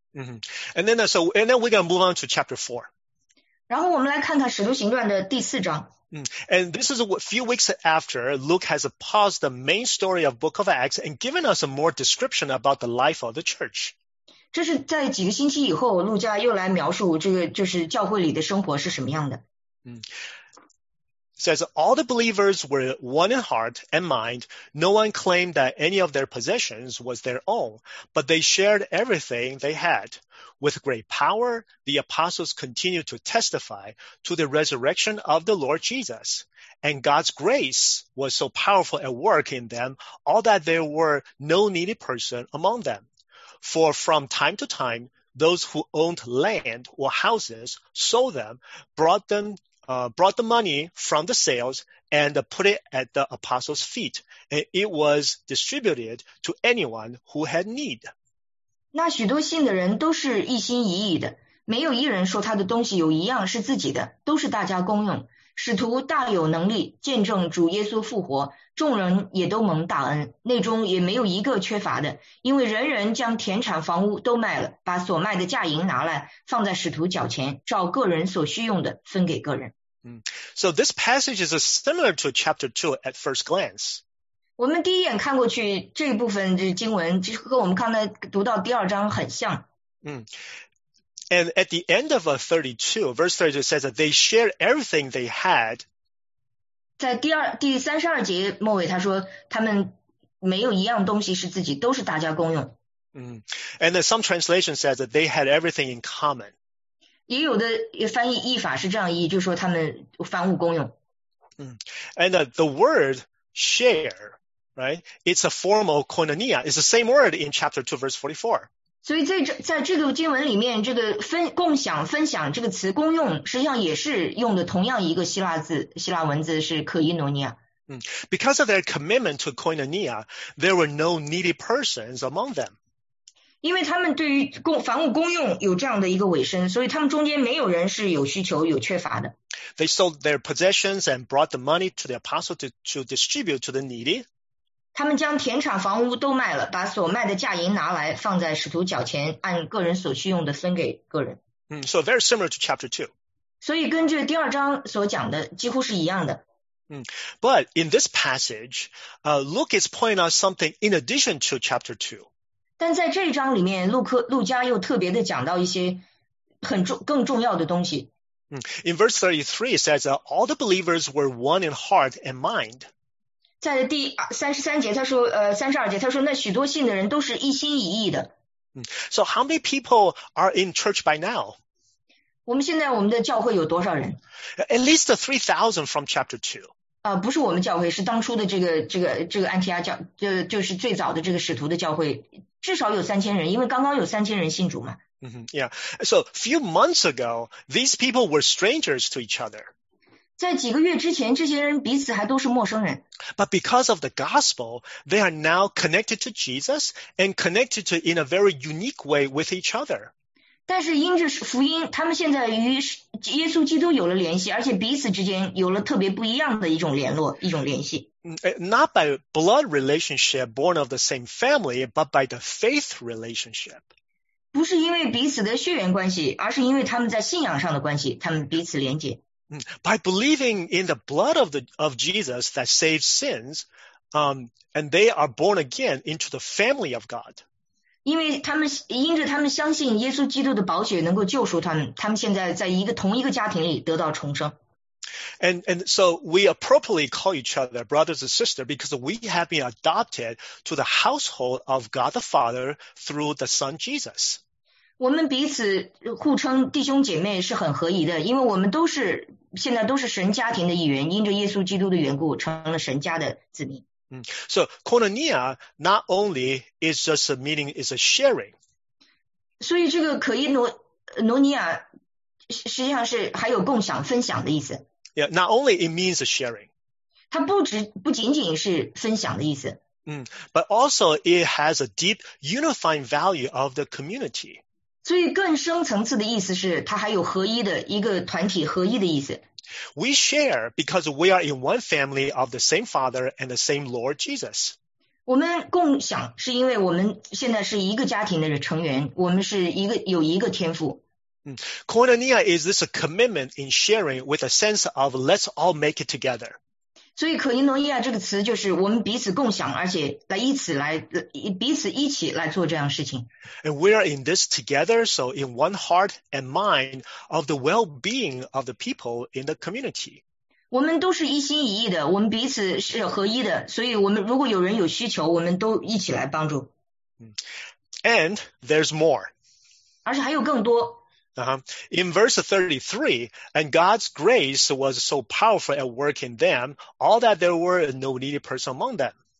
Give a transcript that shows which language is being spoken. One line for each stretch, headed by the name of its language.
English: And then we're going to move on to chapter 4.
Chinese: 然后我们来看看使徒行传的第四章。
English: And this is a few weeks after Luke has paused the main story of Book of Acts and given us a more description about the life of the church.
Chinese: 这是在几个星期以后路加又来描述这个就是教会里的生活是什么样的。
English: Says all the believers were one in heart and mind. No one claimed that any of their possessions was their own, but they shared everything they had. With great power, the apostles continued to testify to the resurrection of the Lord Jesus. And God's grace was so powerful at work in them, all that there were no needy person among them. For from time to time, those who owned land or houses sold them, brought the money from the sales and put it at the apostles' feet, and it was distributed to anyone who had need.
Chinese: 那许多信的人都是一心一意的，没有一人说他的东西有一样是自己的，都是大家公用。使徒大有能力，见证主耶稣复活，众人也都蒙大恩，内中也没有一个缺乏的，因为人人将田产房屋都卖了，把所卖的价银拿来，放在使徒脚前，照个人所需用的分给个人。
English: So this passage is similar to chapter 2 at first glance.
Chinese: 我们第一眼看过去，这一部分这经文其实和我们刚才读到第二章很像。
English: And at the end of 32, verse 32 says that they shared everything they had.
Chinese: 在第32节末尾他说他们没有一样东西是自己，都是大家共用。
English: And then some translation says that they had everything in common.
Chinese: 也有的翻译译法是这样译，就是说他们凡物共用。
English: And the word share, right? It's a form of koinonia. It's the same word in chapter 2, verse 44.
Chinese: 所以在这个经文里面，这个共享、分享这个词“公用”，实际上也是用的同样一个希腊字、希腊文字，是可伊诺尼亚。
English: Because of their commitment to koinonia, there were no needy persons among them.
Chinese: 因为他们对于凡物公用有这样的一个委身，所以他们中间没有人是有需求、有缺乏的。
English: They sold their possessions and brought the money to the apostle to distribute to the needy.
Chinese: 他们将田产房屋都卖了，把所卖的价银拿来放在使徒脚前，按个人所需用的分给个人。
English: So very similar to chapter 2.
Chinese: 所以跟这第二章所讲的几乎是一样的。
English: But in this passage, Luke is pointing out something in addition to chapter 2.
Chinese: 但在这一章里面，路加又特别的讲到一些更重要的东西。
English: In verse 33, it says, all the believers were one in heart and mind.
Chinese: 在第33节他说32节他说那许多信的人都是一心一意的。
English: So how many people are in church by now?
Chinese: 我们现在我们的教会有多少人？
English: At least 3,000 from chapter 2.
Chinese: 不是我们教会，是当初的这个安提阿教，就是最早的这个使徒的教会，至少有3000人，因为刚刚有3000人信主嘛。
English: So few months ago, these people were strangers to each other.
Chinese: 在几个月之前，这些人彼此还都是陌生人。
English: But because of the gospel, they are now connected to Jesus and connected to in a very unique way with each other.
Chinese: 但是因着福音，他们现在与耶稣基督有了联系，而且彼此之间有了特别不一样的一种联络，一种联系。
English: Not by blood relationship born of the same family, but by the faith relationship.
Chinese: 不是因为彼此的血缘关系，而是因为他们在信仰上的关系，他们彼此连结。
English: By believing in the blood of Jesus that saves sins, and they are born again into the family of God.
Chinese: 因为他们因着他们相信耶稣基督的宝血能够救赎他们，他们现在在一个同一个家庭里得到重生。
English: And so we appropriately call each other brothers and sisters because we have been adopted to the household of God the Father through the Son Jesus.
Chinese: 我们彼此互称弟兄姐妹是很合宜的，因为我们都是现在都是神家庭的一员，因着耶稣基督的缘故成了神家的子民。
English: So koinonia not only is just a meaning, is a sharing.
Chinese: 所以这个可伊诺尼亚实际上是还有共享分享的意思。
English: Yeah, not only it means a sharing.
Chinese: 它不仅仅是分享的意思。
English: But also it has a deep unifying value of the community.
Chinese: 所以更深层次的意思是它还有合一的一个团体合一的意思。
English: We share because we are in one family of the same Father and the same Lord Jesus.
Chinese: 我们共享是因为我们现在是一个家庭的成员，我们是有一个天父。
English: Koinonia is this a commitment in sharing with a sense of let's all make it together.
Chinese: 所以可伊诺尼亚这个词就是我们彼此共享，而且彼此一起来做这样事情。
English: And we are in this together, so in one heart and mind of the well-being of the people in the community.
Chinese: 我们都是一心一意的，我们彼此是合一的，所以我们如果有人有需求，我们都一起来帮助。
English: And there's more.
Chinese: 而且还有更多。
English: In verse 33, and God's grace was so powerful at work in them, all that there were no needy person among them.